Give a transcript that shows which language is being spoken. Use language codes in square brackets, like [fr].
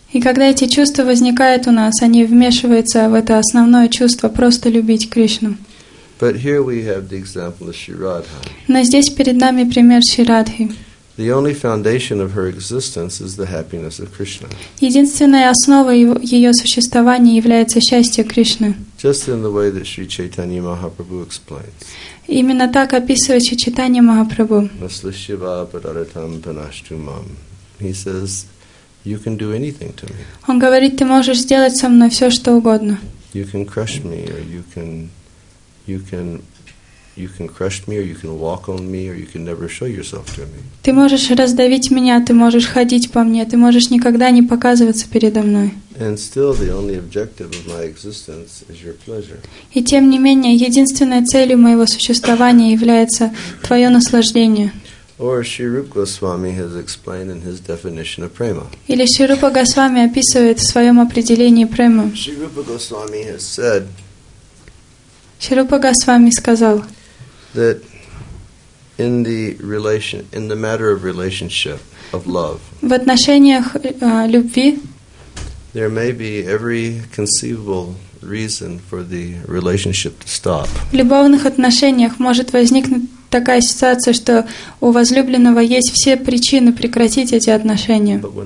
[ru] И когда эти чувства возникают у нас, они вмешиваются в это основное чувство просто любить Кришну. [en] But here we have the example of Shri Radha. [ru] Но здесь перед нами пример Шри Радхи. [en] The only foundation of her existence is the happiness of Krishna. [ru] Единственная основа ее существования является счастье Кришны. [en] Just in the way that Sri Chaitanya Mahaprabhu explains. [ru] Именно так описывает Шри Чайтанья Махапрабху. Наслышива парадатам панаштумам. [en] He says, You can do anything to me. [ru] Он говорит, ты можешь сделать со мной все, что угодно. [en] You can crush me, or you can crush me, or you can walk on me, or you can never show yourself to me. [ru] Ты можешь раздавить меня, ты можешь ходить по мне, ты можешь никогда не показываться передо мной. [en] And still, the only objective of my existence is your pleasure. [ru] И тем не менее, единственной целью моего существования является твое наслаждение. [en] Or Sri Rupa Goswami has explained in his definition of prema. [ru] Или Шри Рупа Госвами описывает в своем определении премы. [en] Sri Rupa Goswami has said. [ru] Шри Рупа Госвами сказал. [en] That in the relation, in the matter of relationship of love. [ru] В отношениях любви. [en] There may be every conceivable reason for the relationship to stop. [ru] В любовных отношениях может возникнуть такая ситуация, что у возлюбленного есть все причины прекратить эти отношения.